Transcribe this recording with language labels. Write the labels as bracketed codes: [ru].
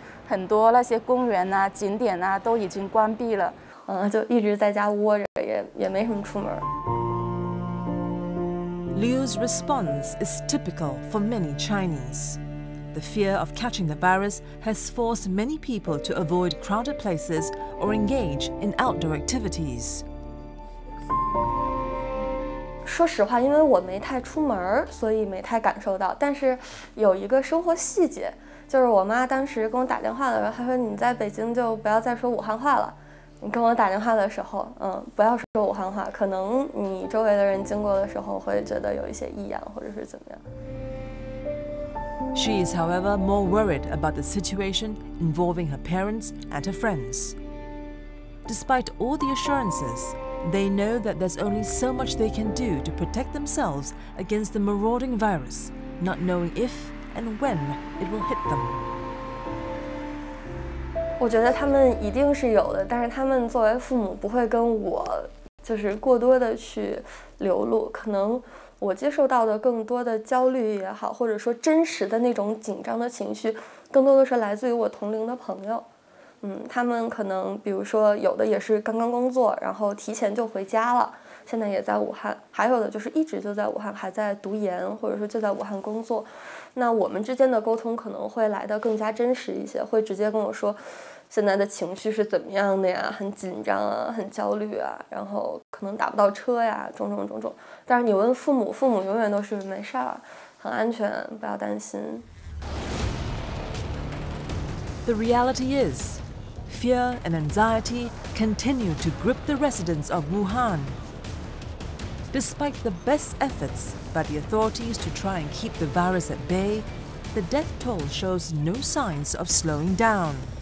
[en] Many parks and attractions are already closed. Liu's response is typical for many Chinese. The fear of catching the virus has forced many people to avoid crowded places or engage in outdoor activities. [zh] 说实话，因为我没太出门，所以没太感受到。但是有一个生活细节，就是我妈当时给我打电话的时候，她说：“你在北京就不要再说武汉话了。” 你跟我打电话的时候，不要说武汉话，可能你周围的人经过的时候会觉得有一些异样或者是怎么样。 [en] She is, however, more worried about the situation involving her parents and her friends. Despite all the assurances, they know that there's only so much they can do to protect themselves against the marauding virus, not knowing if and when it will hit them. [zh] 我觉得他们一定是有的，但是他们作为父母不会跟我就是过多的去流露，可能我接受到的更多的焦虑也好，或者说真实的那种紧张的情绪，更多的是来自于我同龄的朋友。他们可能比如说有的也是刚刚工作，然后提前就回家了，现在也在武汉，还有的就是一直就在武汉，还在读研，或者说就在武汉工作。那我们之间的沟通可能会来得更加真实一些，会直接跟我说现在的情绪是怎么样的呀，很紧张啊，很焦虑啊，然后可能打不到车呀，种种种种。但是你问父母，父母永远都是没事儿，很安全，不要担心。 [en] The reality is, fear and anxiety continue to grip the residents of Wuhan. Despite the best efforts by the authorities to try and keep the virus at bay, the death toll shows no signs of slowing down.